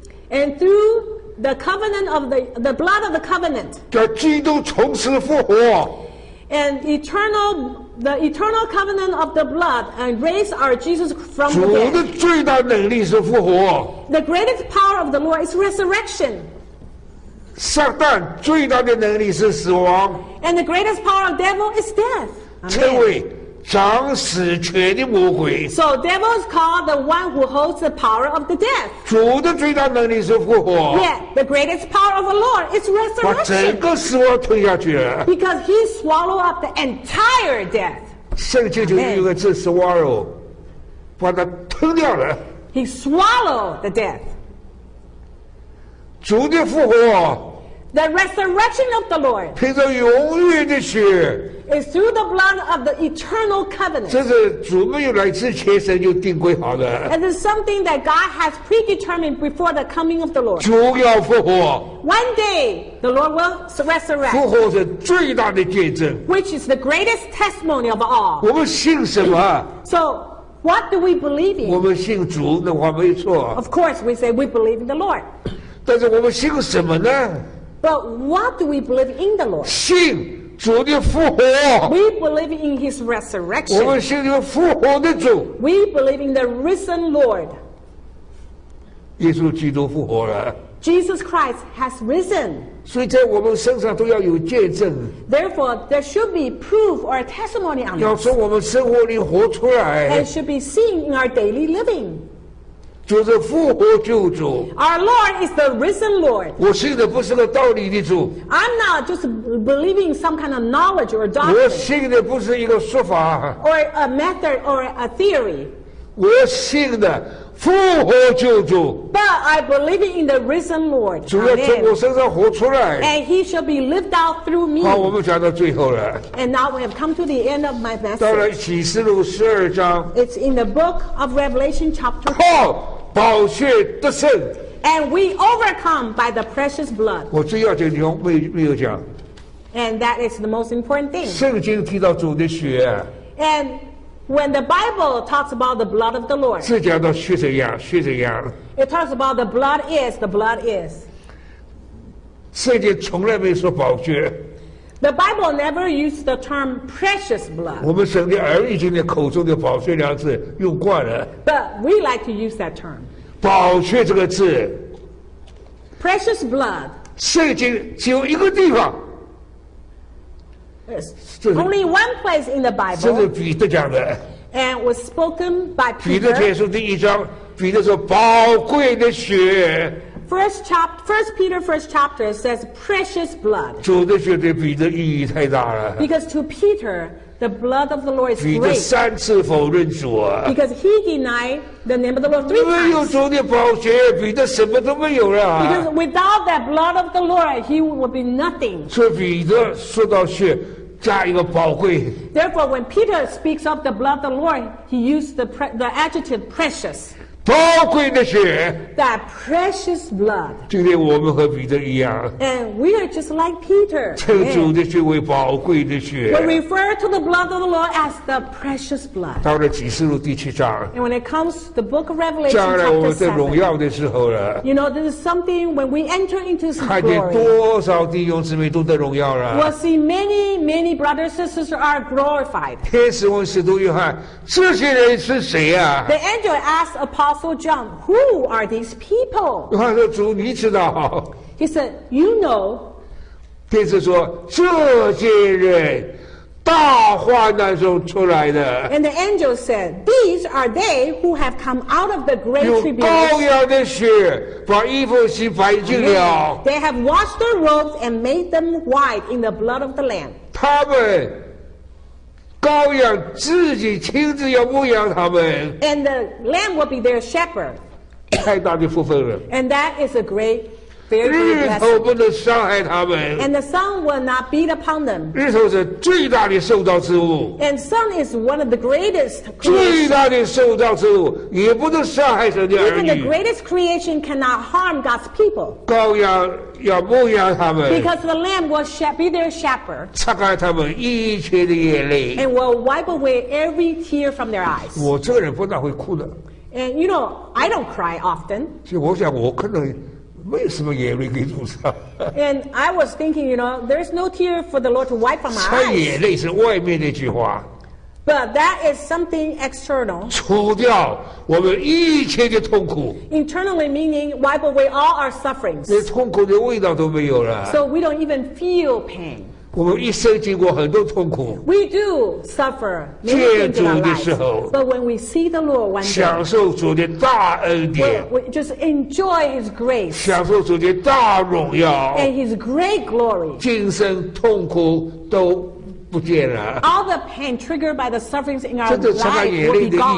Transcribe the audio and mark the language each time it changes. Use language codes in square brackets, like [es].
[en] And through the covenant of the blood of the covenant. [zh] 叫基督从死复活。 [en] And the eternal covenant of the blood and raise our Jesus from the dead. [zh] 主的最大能力是复活。 [en] The greatest power of the Lord is resurrection. [zh] 撒旦最大的能力是死亡。 [en] And the greatest power of devil is death. [zh] 称为掌死权的魔鬼。 [en] So devil is called the one who holds the power of the death. [zh] 主的最大能力是复活。 [en] Yet the greatest power of the Lord is resurrection. [zh] 把整个死亡吞下去了。 [en] Because he swallowed up the entire death. [zh] 圣经就用一个字 swallow， 把它吞掉了。 [en] He swallowed the death. [zh] 主的复活。 [en] The resurrection of the Lord. [zh] 凭着永远的血。 [en] Is through the blood of the eternal covenant. [zh] 这是主没有来之前神就定规好的。 [en] And it's something that God has predetermined before the coming of the Lord. [zh] 主要复活。 [en] One day, the Lord will resurrect. [zh] 复活是最大的见证。 [en] Which is the greatest testimony of all. [zh] 我们信什么？ [en] So, what do we believe in? [zh] 我们信主的话没错。 [en] Of course, we say we believe in the Lord. [zh] 但是我们信什么呢？ [en] But what do we believe in the Lord? [zh] 信。主的复活。 [en] We believe in His resurrection. [zh] 我们信有复活的主。 [en] We believe in the risen Lord. [zh] 耶稣基督复活了。 [en] Jesus Christ has risen. [zh] 所以在我们身上都要有见证。 [en] Therefore, there should be proof or testimony on us. [zh] 要从我们生活里活出来。 [en] And should be seen in our daily living. [zh] 就是复活救主。 [en] Our Lord is the risen Lord. [zh] 我信的不是个道理的主。 [en] I'm not just believing some kind of knowledge or doctrine. [zh] 我信的不是一个说法。 [en] Or a method or a theory. [zh] 我信的复活救主。 [en] But I believe in the risen Lord. [zh] 主要从我身上活出来。 [en] And he shall be lived out through me. [zh] 好，我们讲到最后了。 [en] And now we have come to the end of my message. [zh] 到了启示录十二章。 [en] It's in the book of Revelation chapter [zh] 4. 宝血得胜。 [en] And we overcome by the precious blood. [zh] 我最要紧的没有讲。 [en] And that is the most important thing. [zh] 圣经提到主的血。 [en] And when the Bible talks about the blood of the Lord, [zh] 是讲到血怎样，血怎样。 [en] It talks about the blood is, the blood is. [zh] 圣经从来没说宝血。 [en] The Bible never used the term precious blood. [zh] 我们神的儿女今天口中的宝血两字用惯了。 [en] But we like to use that term. [zh] 宝血这个字。 [en] Precious blood. [zh] 圣经只有一个地方。 [en] Only one place in the Bible. [zh] 这是彼得讲的。 [en] And was spoken by Peter. [zh] 彼得前书第一章，彼得说：“宝贵的血。” [en] First Peter first chapter says precious blood. [zh] 主的血对彼得意义太大了。 [en] Because to Peter, the blood of the Lord is great. [zh] 彼得三次否认主啊。 [en] Because he denied the name of the Lord three times. [zh] 没有主的宝血，彼得什么都没有了。 [en] Because without that blood of the Lord, he would be nothing. [zh] 所以彼得说到血。加一个宝贵。 [en] Therefore, when Peter speaks of the blood of the Lord, he used the adjective precious. [zh] 宝贵的血。 [en] That precious blood. [zh] 今天我们和彼得一样。 [en] And we are just like Peter. [zh] 称主的血为宝贵的血。 [en] We refer to the blood of the Lord as the precious blood. [zh] 到了启示录第七章。 [en] And when it comes to the book of Revelation, [zh] 将来我们在荣耀的时候了。 [en] You know, this is something when we enter into some glory. [zh] 看见多少弟兄姊妹都在荣耀了。 [en] We'll see many brothers and sisters are glorified. [zh] 天使问使徒约翰，这些人是谁啊？ [en] The angel asked Apostle John, who are these people? [zh] 约翰说，主你知道。 [en] He said, you know. [zh] 天使说，这些人大患难中出来的。 [en] And the angel said, these are they who have come out of the great tribulation. [zh] 有羔羊的血把衣服洗白净了。 [en] They have washed their robes and made them white in the blood of the Lamb. [zh] 他们羔羊自己亲自要牧养他们 [en] and the lamb will be their shepherd [zh] 太大的福分了 [en] and that is a great very good [zh] blessing 日头不能伤害他们 [en] and the sun will not beat upon them [zh] 日头是最大的受造之物 [en] and sun is one of the greatest creation [zh] 最大的受造之物也不能伤害神的儿女 [en] even the greatest creation cannot harm God's people [zh] 羔羊要牧养他们 [en] because the lamb will be their shepherd [zh] 擦干他们一切的眼泪 [en] and will wipe away every tear from their eyes [zh] 我这个人不大会哭的 [en] and you know I don't cry often [zh] 所以我想我可能没有什么眼泪可以弄上。 [en] And I was thinking, you know, there is no tear for the Lord to wipe from my eyes. [zh] 擦眼泪是外面那句话。 [en] But that is something external. [zh] 除掉我们一切的痛苦。 [en] Internally meaning wipe away all our sufferings. [zh] 连痛苦的味道都没有了。 [en] So we don't even feel pain. [zh] 我们一生经过很多痛苦。 [en] We do suffer. [zh] 借主的时候。 [en] But when we see the Lord one day. [zh] 享受主的大恩典。 [en] We just enjoy His grace. [zh] 享受主的大荣耀。 [en] And His great glory. [zh] 今生痛苦都不见了。 [en] All the pain triggered by the sufferings in our life will be gone.